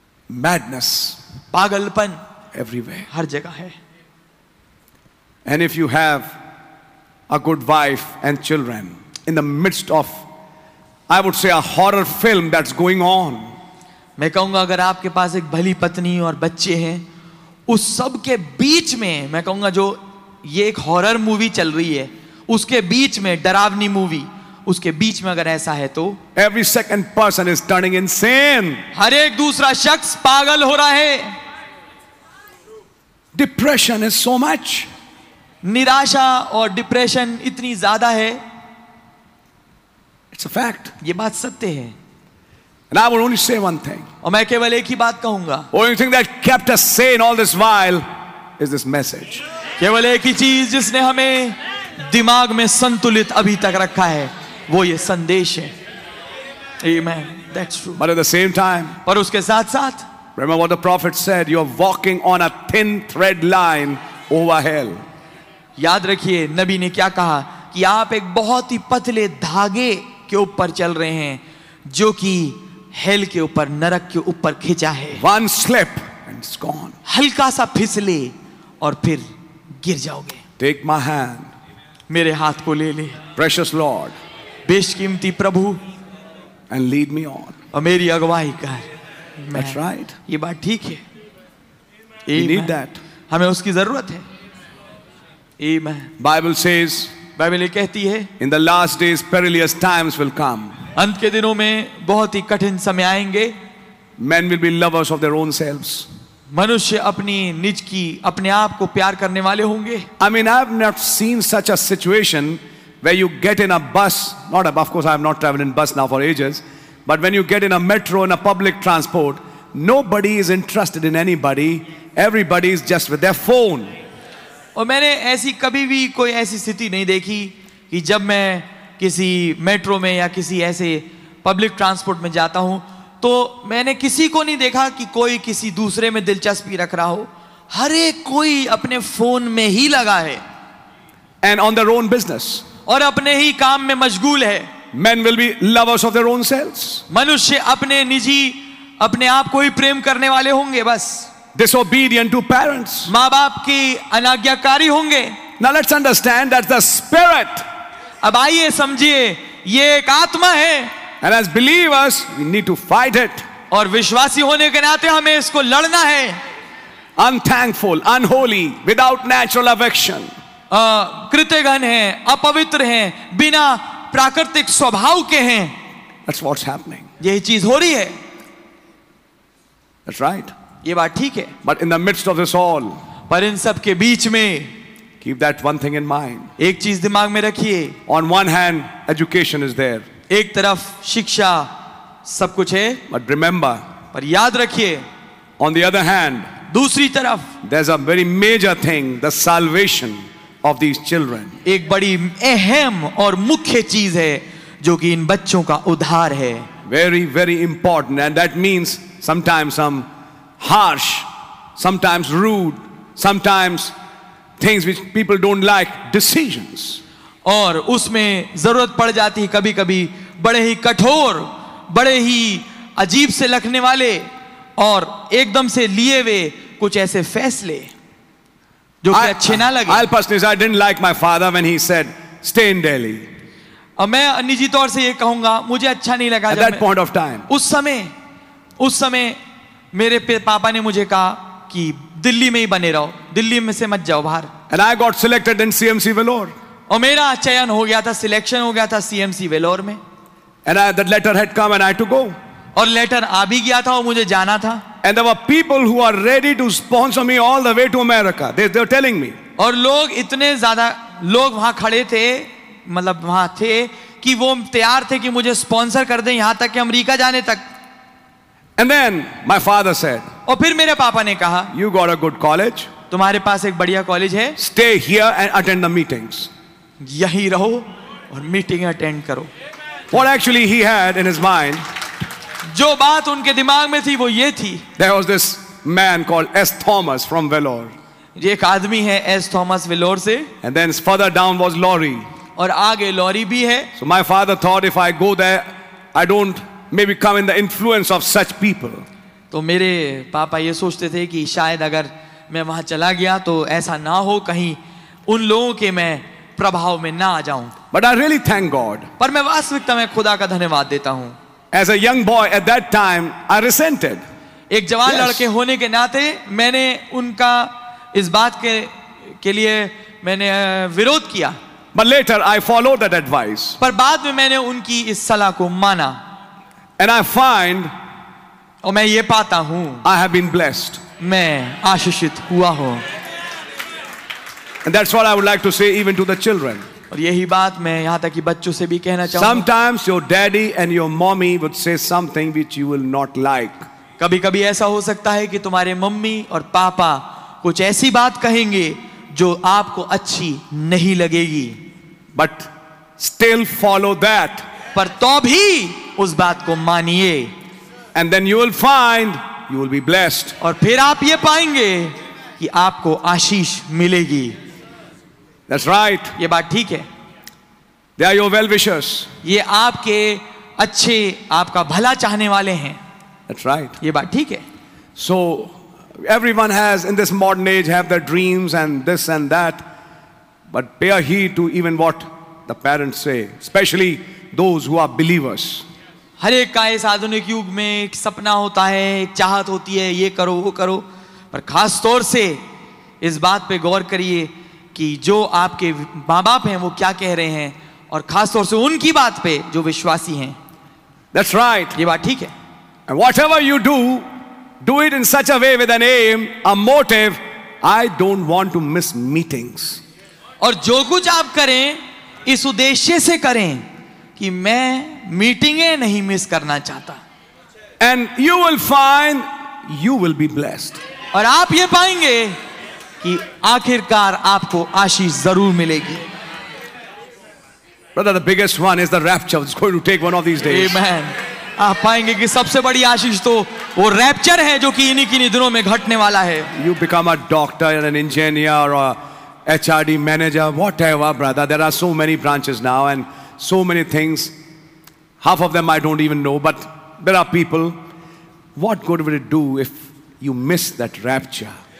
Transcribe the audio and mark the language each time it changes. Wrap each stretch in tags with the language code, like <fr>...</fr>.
<en>Madness,</en> <hi>पागलपन</hi> <en>everywhere,</en> <hi>हर जगह है.</hi> <en>And if you have a good wife and children in the midst of, I would say, a horror film that's going on,</en> <hi>मैं कहूंगा अगर आपके पास एक भली पत्नी और बच्चे हैं उस सब के बीच में, मैं कहूंगा जो ये एक हॉरर मूवी चल रही है उसके बीच में, डरावनी मूवी उसके बीच में अगर ऐसा है तो.</hi> <en>Every second person is turning insane.</en> <hi>हर एक दूसरा शख्स पागल हो रहा है.</hi> <en>Depression is so much.</en> <hi>निराशा और डिप्रेशन इतनी ज्यादा है.</hi> <en>It's a fact.</en> <hi>ये बात सत्य है.</hi> <en>And I will only say one thing.</en> <hi>और मैं केवल एक ही बात कहूंगा.</hi> <en>The only thing that kept us sane all this while is this message.</en> <hi>केवल एक ही चीज जिसने हमें दिमाग में संतुलित अभी तक रखा है वो ये संदेश है.</hi> <en>Amen. That's true. But at the same time,</en> <hi>पर उसके साथ साथ,</hi> <en>remember what the prophet said, you are walking on a thin thread line over hell.</en> <hi>याद रखिए नबी ने क्या कहा कि आप एक बहुत ही पतले धागे के ऊपर चल रहे हैं जो कि हेल के ऊपर, नरक के ऊपर खिंचा है.</hi> <en>One slip and it's gone.</en> <hi>हल्का सा फिसले और फिर गिर जाओगे.</hi> <en>Take my hand.</en> <hi>मेरे हाथ को ले ले.</hi> <en>Precious Lord.</en> <hi>बेशकीमती प्रभु.</hi> <en>And lead me on.</en> <hi>और मेरी अगुवाई कर.</hi> <en>That's right.</en> <hi>ये बात ठीक है.</hi> <en>We need that.</en> <hi>हमें उसकी जरूरत है. Amen.</hi> <en>Bible says.</en> <hi>बाइबल ये कहती है.</hi> <en>In the last days, perilous times will come.</en> <hi>अंत के दिनों में बहुत ही कठिन समय आएंगे.</hi> <en>Men will be lovers of their own selves.</en> <hi>मनुष्य अपनी निज की, अपने आप को प्यार करने वाले होंगे.</hi> <en>I mean, I have not seen such a situation. Where you get in a bus, not a, of course I have not traveled in bus now for ages, but when you get in a metro, in a public transport, nobody is interested in anybody. Everybody is just with their phone.</en> <hi>और मैंने ऐसी कभी भी कोई ऐसी स्थिति नहीं देखी कि जब मैं किसी मेट्रो में या किसी ऐसे पब्लिक ट्रांसपोर्ट में जाता हूँ तो मैंने किसी को नहीं देखा कि कोई किसी दूसरे में दिलचस्पी रख रहा हो. हर एक कोई अपने फोन में ही लगा है.</hi> <en>And on their own business.</en> <hi>और अपने ही काम में मशगूल है.</hi> <en>Men will be lovers of their own selves.</en> <hi>मनुष्य अपने निजी, अपने आप को ही प्रेम करने वाले होंगे बस.</hi> <en>Disobedient to parents.</en> <hi>माँ बाप की अनाज्ञाकारी होंगे.</hi> <en>Now let's understand that the spirit.</en> <hi>अब आइए समझिए ये एक आत्मा है.</hi> <en>And as believers, we need to fight it.</en> <hi>और विश्वासी होने के नाते हमें इसको लड़ना है.</hi> <en>Unthankful, unholy, without natural affection.</en> <hi>कृतघ्न हैं, अपवित्र हैं, बिना प्राकृतिक स्वभाव के हैं.</hi> <en>That's what's happening.</en> <hi>यही चीज हो रही है.</hi> <en>That's right.</en> <hi>ये बात ठीक है.</hi> <en>But in the midst of this all,</en> <hi>पर इन सब के बीच में,</hi> <en>keep that one thing in mind.</en> <hi>एक चीज दिमाग में रखिए.</hi> <en>On one hand, education is there.</en> <hi>एक तरफ शिक्षा सब कुछ है.</hi> <en>But remember,</en> <hi>पर याद रखिए.</hi> <en>On the other hand,</en> <hi>दूसरी तरफ,</hi> <en>there's a very major thing, the salvation of these children.</en> <hi>एक बड़ी अहम और मुख्य चीज है जो कि इन बच्चों का उद्धार है.</hi> <en>Very, very important, and that means sometimes some harsh, sometimes rude, sometimes things which people don't like, decisions.</en> <hi>और उसमें जरूरत पड़ जाती है कभी कभी बड़े ही कठोर, बड़े ही अजीब से लगने वाले और एकदम से लिए हुए कुछ ऐसे फैसले जो कि अच्छे ना लगे.</hi> <en>I'll personally say I didn't like my father when he said stay in Delhi.</en> <hi>मैं निजी तौर से ये कहूंगा मुझे अच्छा नहीं लगा.</hi> <en>At that point of time,</en> <hi>उस समय मेरे पापा ने मुझे कहा कि दिल्ली में ही बने रहो, दिल्ली में से मत जाओ बाहर.</hi> <en>And I got selected in CMC Vellore.</en> <hi>और मेरा चयन हो गया था, सिलेक्शन हो गया था सीएमसी वेलोर में.</hi> <en>And that letter had come and I had to go.</en> <hi>और लेटर आ भी गया था और मुझे जाना था.</hi> <en>And there were people who are ready to sponsor me all the way to America. They were telling me.</en> <hi>और लोग इतने ज्यादा लोग वहां खड़े थे, मतलब वहां थे कि वो तैयार थे कि मुझे स्पॉन्सर कर दें यहां तक कि अमरीका जाने तक.</hi> <en>And then my father said,</en> <hi>और फिर मेरे पापा ने कहा,</hi> <en>you got a good college.</en> <hi>तुम्हारे पास एक बढ़िया कॉलेज है.</hi> <en>Stay here and attend the meetings.</en> <hi>यही रहो और मीटिंग अटेंड करो.</hi> <en>What actually he had in his mind,</en> <hi>जो बात उनके दिमाग में थी वो ये थी.</hi> <en>There was this man called S. Thomas from Vellore.</en> <hi>ये एक आदमी है S. Thomas Vellore से.</hi> <en>And then further down was Laurie.</en> <hi>और आगे लॉरी भी है.</hi> <en>So my father thought if I go there, I don't maybe come in the influence of such people.</en> <hi>तो मेरे पापा ये सोचते थे कि शायद अगर मैं वहां चला गया तो ऐसा ना हो कहीं उन लोगों के मैं प्रभाव में ना आ जाऊं.</hi> <en>But I really thank God.</en> <hi>पर मैं वास्तविकता में खुदा का धन्यवाद देता हूं.</hi> <en>As a young boy at that time, I resented.</en> <hi>एक जवान लड़के होने के नाते मैंने उनका इस बात के लिए मैंने विरोध किया.</hi> <en>But later I followed that advice.</en> <hi>पर बाद में मैंने उनकी इस सलाह को माना.</hi> <en>And I find,</en> <hi>और मैं ये पाता हूं,</hi> <en>I have been blessed.</en> <hi>मैं आशीषित हुआ हूं.</hi> <en>And that's what I would like to say even to the children.</en> <hi>और यही बात मैं यहां तक कि बच्चों से भी कहना चाहूंगा.</hi> <en>Sometimes your daddy and your mommy would say something which you will not like.</en> <hi>कभी कभी ऐसा हो सकता है कि तुम्हारे मम्मी और पापा कुछ ऐसी बात कहेंगे जो आपको अच्छी नहीं लगेगी.</hi> <en>But still follow that.</en> <hi>पर तो भी उस बात को मानिए.</hi> <en>And then you will find you will be blessed.</en> <hi>और फिर आप ये पाएंगे कि आपको आशीष मिलेगी.</hi> <en>That's right.</en> <hi>ये बात ठीक है.</hi> <en>They are your well-wishers.</en> <hi>ये आपके अच्छे, आपका भला चाहने वाले हैं.</hi> <en>That's right.</en> <hi>ये बात ठीक है.</hi> <en>So everyone has in this modern age have their dreams and this and that, but pay a heed to even what the parents say, especially those who are believers.</en> <hi>हर एक का इस आधुनिक युग में एक सपना होता है, चाहत होती है, ये करो वो करो, पर खास तौर से इस बात पे गौर करिए कि जो आपके माँ बाप हैं वो क्या कह रहे हैं, और खास तौर से उनकी बात पे जो विश्वासी हैं.</hi> <en>That's right.</en> <hi>ये बात ठीक है.</hi> <en>And whatever you do, do it in such a way with an aim, a motive. I don't want to miss meetings.</en> <hi>और जो कुछ आप करें इस उद्देश्य से करें कि मैं मीटिंगें नहीं मिस करना चाहता.</hi> <en>And you will find you will be blessed.</en> <hi>और आप ये पाएंगे कि आखिरकार आपको आशीष जरूर मिलेगी.</hi> <en>Brother, the biggest one is the rapture. It's going to take one of these days. Amen.</en> <hi>आप पाएंगे कि सबसे बड़ी आशीष तो वो रैप्चर है जो कि इन्हीं किन्हीं दिनों में घटने वाला है.</hi> <en>You become a doctor and an engineer or a HRD manager, whatever, brother. There are so many branches now and so many things. Half of them I don't even know, but there are people. What good would it do if you miss that rapture?</en>